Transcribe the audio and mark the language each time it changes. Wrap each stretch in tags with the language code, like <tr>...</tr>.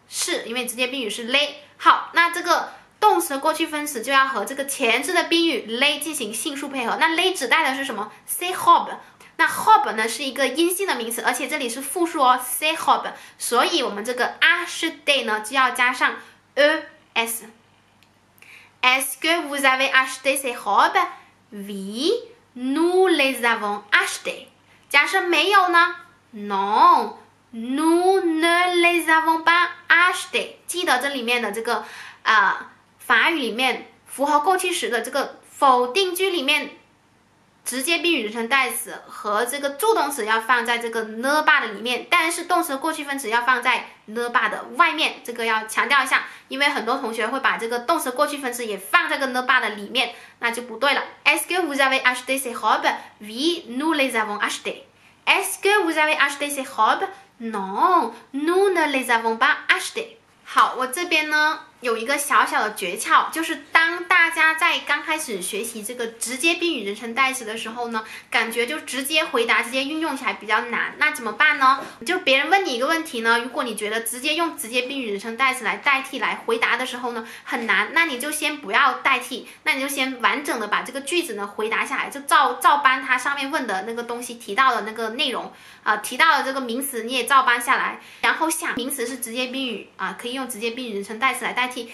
<zh>是，因为直接宾语是 les。好，那这个动词过去分词就要和这个前置的宾语 les 进行性数配合。那 les 指代的是什么？ c'est hob。那 hob 呢是一个阴性的名词，而且这里是复数哦 ，se hob， 所以我们这个 acheté 呢就要加上 es。</zh> <fr>Est-ce que vous avez acheté ces robes? Oui, nous les avons achetées.</fr> <zh>假设没有呢</zh> <fr>？Non, nous ne les avons pas achetées.</fr> <zh>记得这里面的这个法语里面符合过去时的这个否定句里面。直接宾语人称代词和这个助动词要放在这个 ne ba 的里面，但是动词过去分词要放在 ne ba 的外面，这个要强调一下，因为很多同学会把这个动词过去分词也放在个 ne ba 的里面，那就不对了。</zh> <fr>Est-ce que vous avez acheté ces robes? Oui, nous les avons achetées. Est-ce que vous avez acheté ces robes? Non, nous ne les avons pas achetées.</fr> <zh>好，我这边呢有一个小小的诀窍，就是当大家在刚开始学习这个直接宾语人称代词的时候呢，感觉就直接回答直接运用起来比较难，那怎么办呢？就别人问你一个问题呢，如果你觉得直接用直接宾语人称代词来代替来回答的时候呢很难，那你就先不要代替，那你就先完整的把这个句子呢回答下来，就照搬他上面问的那个东西提到的那个内容提到的这个名词你也照搬下来，然后想名词是直接宾语可以用直接宾语人称代词来代替。</zh>